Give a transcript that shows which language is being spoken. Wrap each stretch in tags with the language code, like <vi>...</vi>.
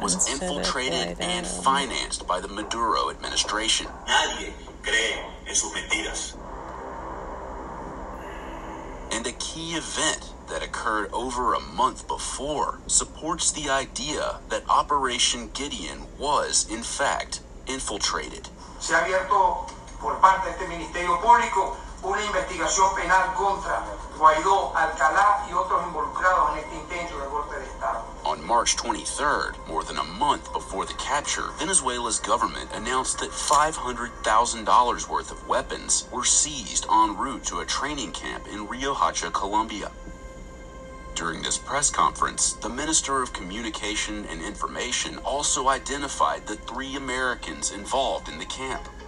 <en>was infiltrated and financed by the Maduro administration.</en> <es>Nadie cree en sus mentiras.</es> <en>And a key event that occurred over a month before supports the idea that Operation Gideon was, in fact, infiltrated.</en> <es>Se ha abierto por parte de este Ministerio Público una investigación penal contra Guaidó, Alcalá y otros involucrados en este intento de golpe de Estado.</es> <en>On March 23rd, more than a month before the capture, Venezuela's government announced that $500,000 worth of weapons were seized en route to a training camp in Riohacha, Colombia. during this press conference, the Minister of Communication and Information also identified the three Americans involved in the camp.</en>